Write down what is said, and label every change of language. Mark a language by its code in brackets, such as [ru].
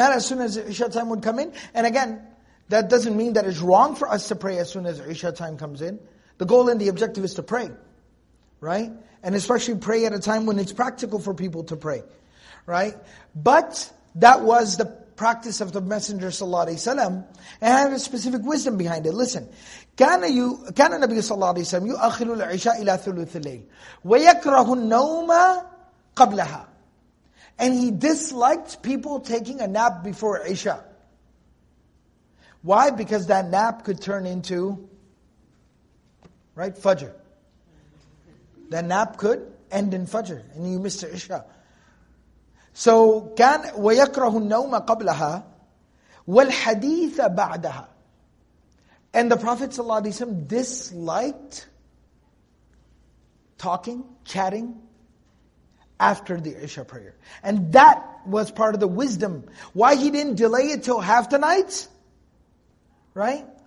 [en] Not as soon as Isha time would come in. And again, that doesn't mean that it's wrong for us to pray as soon as Isha time comes in. The goal and the objective is to pray. Right? And especially pray at a time when it's practical for people to pray. Right? But that was the practice of the Messenger sallallahu alaihi wasallam, and had a specific wisdom behind it. Listen, [ar] كان النبي صلى الله عليه وسلم يؤخر العشاء إلى ثلث الليل ويكره النوم قبلها. [en] And he disliked people taking a nap before Isha. Why? Because that nap could turn into, right, Fajr. That nap could end in Fajr, and you missed the Isha. So [ar] كان ويكره النوم قبلها والحديث بعدها. [en] And the Prophet ﷺ disliked talking, chatting after the Isha prayer. And that was part of the wisdom. Why he didn't delay it till half the night, right?